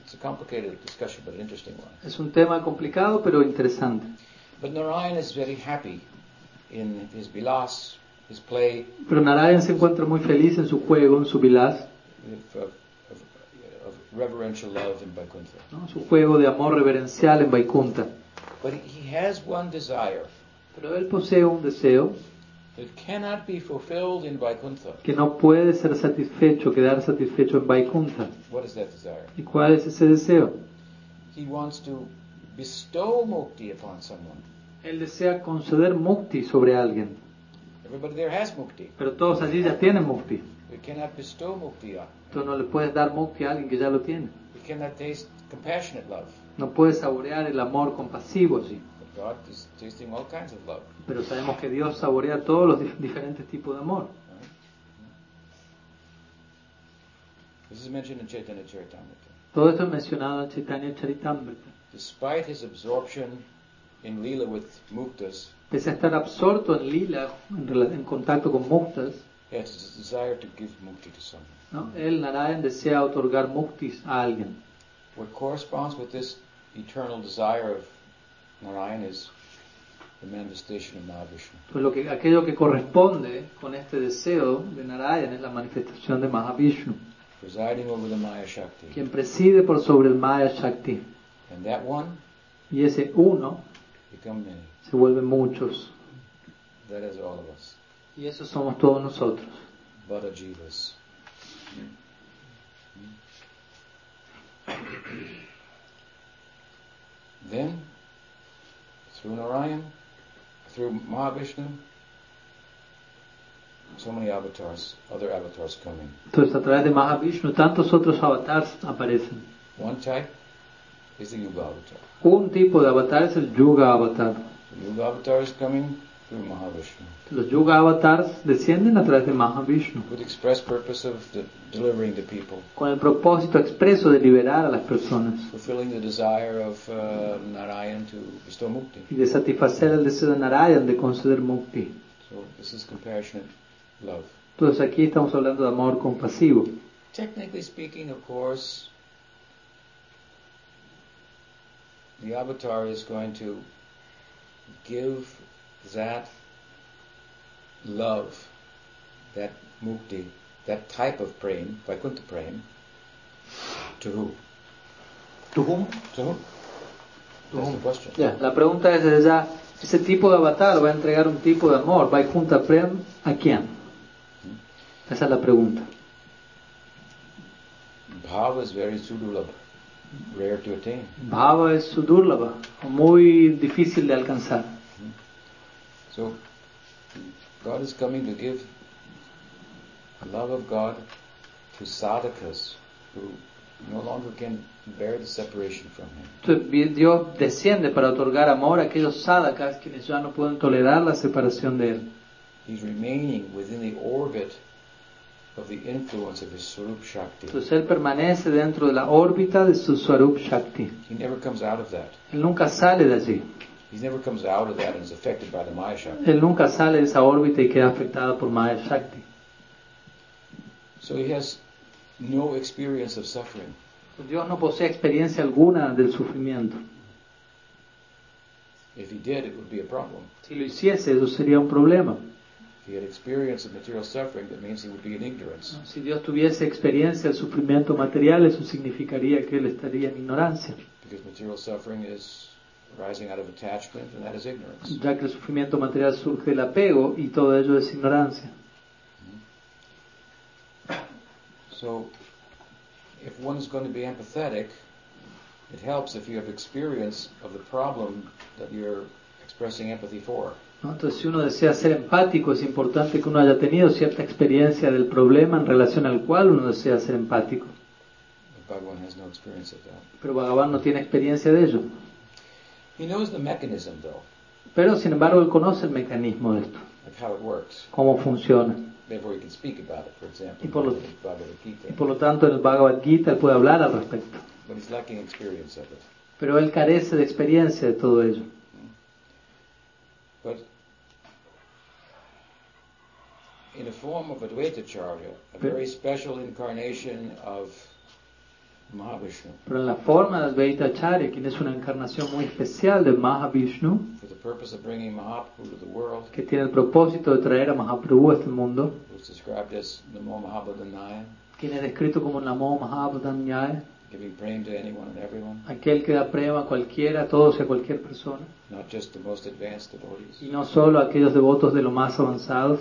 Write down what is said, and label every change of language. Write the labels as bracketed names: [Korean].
[English] It's a complicated discussion, but an interesting one. [Spanish] Es un tema complicado pero interesante. [English] But Narayana is very happy in his vilas, his play. [Spanish] Pero Narayana se encuentra muy feliz en su juego, en su vilas. [English] Of reverential love in Vaikuntha. [Spanish] No, su juego de amor reverencial en Vaikuntha. [English] But he has one desire. [Spanish] Pero él posee un deseo. [English] That cannot be fulfilled in Vaikuntha. [Spanish] Que no puede ser satisfecho, quedar satisfecho en Vaikuntha. [English] What is that desire? [Spanish] ¿Y cuál es ese deseo? [English] He wants to bestow mukti upon someone. [Spanish] Él desea conceder mukti sobre alguien. [English] Everybody there has mukti. [Spanish] Pero todos allí ya tienen mukti. [English] You cannot bestow mukti on. [Spanish] Tú no le puedes dar mukti a alguien que ya lo tiene. [English] You cannot taste compassionate love. [Spanish] No puedes saborear el amor compasivo, sí. [English] But God is tasting all kinds of love. [Spanish] Pero sabemos que Dios saborea todos los diferentes tipos de amor. [English] This is mentioned in Chaitanya Charitamrita. [Spanish] Todo esto es mencionado en Chaitanya Charitamrita. [English] Despite his absorption in lila with muktas. [Spanish] Pese a estar absorto en lila, en contacto con muktas. [English] Yes, it's a desire to give mukti to someone. [Spanish] No, él, Narayana, desea otorgar muktis a alguien. [English] What corresponds with this eternal desire of Narayana is the manifestation of Mahavishnu. [Spanish] Pues lo que, aquello que corresponde con este deseo de Narayana es la manifestación de Mahavishnu. [English] Presiding over the Maya Shakti. [Spanish] Quien preside por sobre el Maya Shakti. [English] And that one. [Spanish] Y ese uno. [English] Become many. [Spanish] Se vuelve muchos. [English] That is all of us. [Spanish] Y eso somos todos nosotros. [Sanskrit] Bada jivas. [English] Then, through Narayana, through Mahavishnu, so many avatars, other avatars come in. [Spanish] Entonces, a través de Mahavishnu, tantos otros avatars aparecen. [English] One type is the Yuga avatar. [Spanish] Un tipo de avatar es el Yuga avatar. [English] The Yuga avatar is coming. [Spanish] Los yuga avatars descienden a través de Mahavishnu. [English] With the express purpose of delivering the people. [Spanish] Con el propósito expreso de liberar a las personas. [English] Fulfilling the desire of Narayan to bestow mukti. [Spanish] Y de satisfacer el deseo de Narayan de conceder mukti. [English] So this is compassionate love. [Spanish] Entonces aquí estamos hablando de amor compasivo. [English] Technically speaking, of course, the avatar is going to give that love, that mukti, that type of prem, Vaikuntha prem, to who? To whom? To whom? To That's whom? The question. [Spanish] Yeah, la pregunta es esa, ese tipo de avatar va a entregar un tipo de amor, Vaikuntha prem, ¿a quién? Esa es la pregunta. [English] Bhava is very sudurlabha, rare to attain. [Spanish] Bhava es sudurlabha, muy difícil de alcanzar. [English] So, God is coming to give the love of God to sadhakas who no longer can bear the separation from Him. [Spanish] Entonces, Dios desciende para otorgar amor a aquellos sadhakas quienes ya no pueden tolerar la separación de Él. [English] He's remaining within the orbit of the influence of His Swarup Shakti. [Spanish] Entonces, Él permanece dentro de la órbita de su Swarup Shakti. [English] He never comes out of that. [Spanish] Él nunca sale de allí. [English] He never comes out of that and is affected by the Maya Shakti. [Spanish] Él nunca sale de esa órbita y queda afectado por Maya Shakti. [English] So he has no experience of suffering. [Spanish] Dios no posee experiencia alguna del sufrimiento. [English] If he did, it would be a problem. [Spanish] Si lo hiciese, eso sería un problema. [English] If he had experience of material suffering, that means he would be in ignorance. [Spanish] Si Dios tuviese experiencia del sufrimiento material, eso significaría que él estaría en ignorancia. [English] Because material suffering is rising out of attachment, and that is ignorance. [Spanish] Ya que el sufrimiento material surge del apego y todo ello es ignorancia. [English] So, if one is going to be empathetic, it helps if you have experience of the problem that you're expressing empathy for. [Spanish] ¿No? Entonces, si uno desea ser empático, es importante que uno haya tenido cierta experiencia del problema en relación al cual uno desea ser empático. [English] But Bhagavan has no experience of that. [Spanish] Pero Bhagavan no tiene experiencia de ello. [English] He knows the mechanism, though. [Spanish] Pero sin embargo él conoce el mecanismo de esto. [English] Like how it works. [Spanish] Cómo funciona. [English] Therefore he can speak about it, for example. [Spanish] Y por lo tanto en el Bhagavad Gita él puede hablar al respecto. [English] But he's lacking experience of it. [Spanish] Pero él carece de experiencia de todo ello. [English] But in the form of Advaita Charya, a very special incarnation of Mahavishnu. [Spanish] Pero en la forma de Advaita Acharya, quien es una encarnación muy especial de Mahavishnu, [English] for the purpose of bringing Mahaprabhu to the world, [Spanish] que tiene el propósito de traer a Mahaprabhu a este mundo, [English] who's described as Namo Mahabodhanaya, [Spanish] quien es descrito como Namo Mahabodhanaya, [English] giving prema to anyone and everyone, [Spanish] aquel que da prema a cualquiera, a todos y a cualquier persona, [English] not just the most advanced devotees, [Spanish] y no solo a aquellos devotos de lo más avanzados.